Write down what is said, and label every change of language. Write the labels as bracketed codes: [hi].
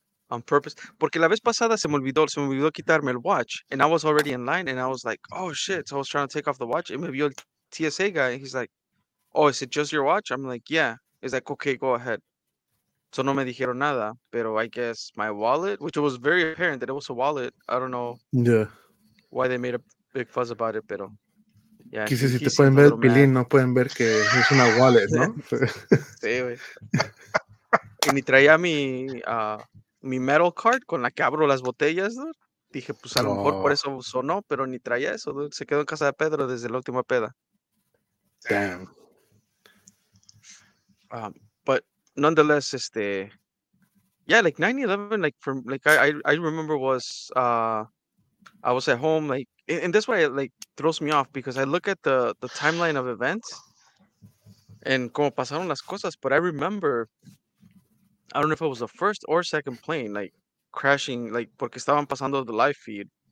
[en] On purpose, [es] porque la vez pasada se me olvidó quitarme el [en] watch, and I was already in line, and I was like, oh shit, so I was trying to take off the watch, and [es] me vio el [en] TSA guy, and he's like, oh, is it just your watch? I'm like, yeah. He's like, okay, go ahead. So [es] no me dijeron nada, pero [en] I guess my wallet, which was very apparent that it was a wallet, I don't know why they made a big fuss about it, pero, yeah. [es] Quise si te pueden ver el pilín, no pueden ver que es una wallet, ¿no? Sí, güey. Y ni traía mi metal card con la que abro las botellas, ¿no? Dije, pues a lo mejor por eso sonó, pero ni traía eso, ¿no? Se quedó en casa de Pedro desde la última peda. [en] Damn. But nonetheless, yeah, like 9/11, like from, like, I remember was, I was at home, like, and that's why it, like, throws me off because I look at the timeline of events and [es] como pasaron las cosas, [en] but I remember, I don't know if it was the first or second plane, like, crashing, like, [es] porque estaban pasando [en] the live feed.